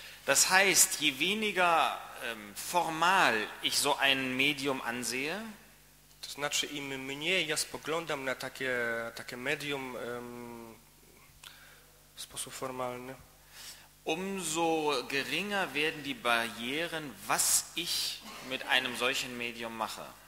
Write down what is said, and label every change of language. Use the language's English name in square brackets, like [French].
[German] Das heißt, je weniger formal ich so ein Medium ansehe, [Polish] to znaczy, im mniej ja spoglądam na takie medium w sposób formalny, [German] umso geringer werden die Barrieren, was ich mit einem solchen Medium mache.